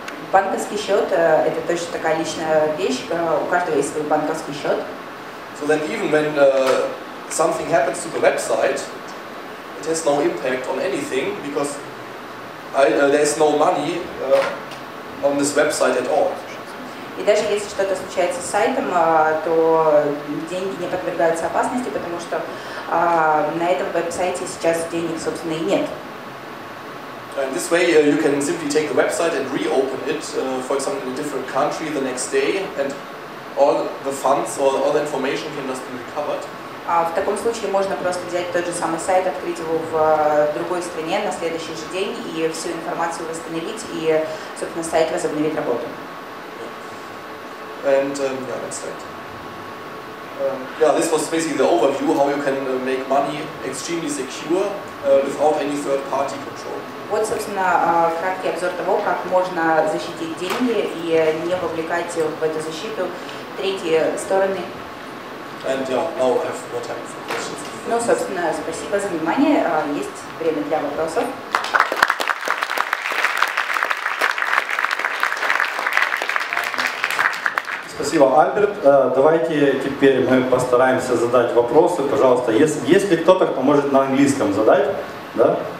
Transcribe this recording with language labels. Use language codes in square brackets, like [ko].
[ru] Банковский счет это точно такая личная вещь, у каждого есть свой банковский счет. [en] So then even when something happens to the website, it has no impact on anything because there's no money on this website at all. [ru] И даже если что-то случается с сайтом, то деньги не подвергаются опасности, потому что на этом веб-сайте сейчас денег, собственно, и нет. [en] And this way you can simply take the website and reopen it, for example, in a different country the next day, and all the funds or all the information can just be recovered. [ru] В таком случае можно просто взять тот же самый сайт, открыть его в другой стране на следующий же день и всю информацию восстановить и, собственно, сайт возобновить работу. [en] And yeah, that's right. yeah, this was basically the overview how you can make money extremely secure without any third-party control. [ru] Вот, собственно, краткий обзор того, как можно защитить деньги и не вовлекать в эту защиту третьи стороны. [en] And yeah, now I have more time for questions. [ru] Ну, собственно, спасибо за внимание. Есть время для вопросов. Спасибо, Альберт. Давайте теперь мы постараемся задать вопросы. Пожалуйста, если кто-то, кто может на английском задать, да?